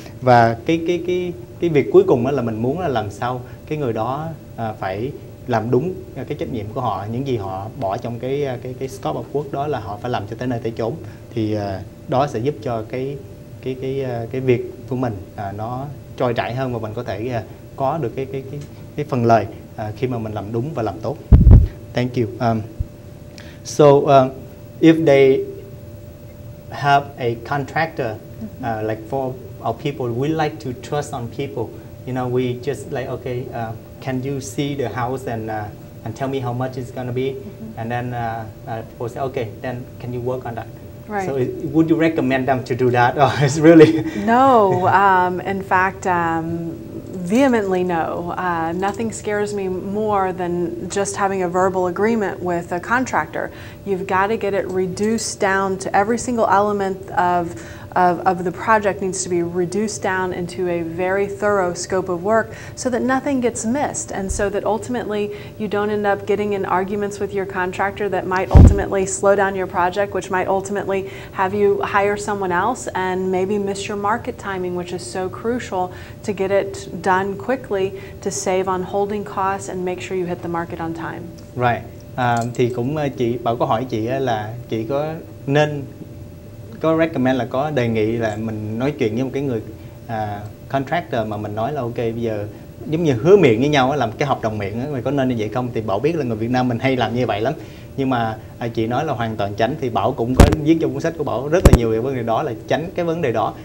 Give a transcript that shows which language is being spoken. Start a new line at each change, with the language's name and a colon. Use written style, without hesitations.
Vietnamese: Và cái việc cuối cùng đó là mình muốn là làm sao cái người đó phải làm đúng cái trách nhiệm của họ, những gì họ bỏ trong cái scope of work đó là họ phải làm cho tới nơi tới chốn. Thì đó sẽ giúp cho cái việc của mình nó trôi chảy hơn, và mình có thể có được cái phần lời khi mà mình làm đúng và làm tốt.
English: Thank you. So if they have a contractor, like for our people, we like to trust on people. You know, we just like, okay, can you see the house and tell me how much it's gonna be? Mm-hmm. And then people say, okay, then can you work on that? Right. So would you recommend them to do that? Or it's really? No, in fact, vehemently no. Nothing scares me more than just having a verbal agreement with a contractor. You've got to get it reduced down to every single element of the project needs to be reduced down into a very thorough scope of work, so that nothing gets missed, and so that ultimately you don't end up getting in arguments with your contractor that might ultimately slow down your project, which might ultimately have you hire someone else and maybe miss your market timing, which is so crucial to get it done quickly to save on holding costs and make sure you hit the market on time. Right.
Vietnamese: Thì cũng chị Bảo có hỏi chị là chị có nên có recommend, là có đề nghị là mình nói chuyện với một cái người contractor mà mình nói là ok, bây giờ giống như hứa miệng với nhau làm cái hợp đồng miệng mình có nên như vậy không. Thì Bảo biết là người Việt Nam mình hay làm như vậy lắm, nhưng mà chị nói là hoàn toàn tránh. Thì Bảo cũng có viết trong cuốn sách của Bảo rất là nhiều về vấn đề đó, là tránh cái vấn đề đó.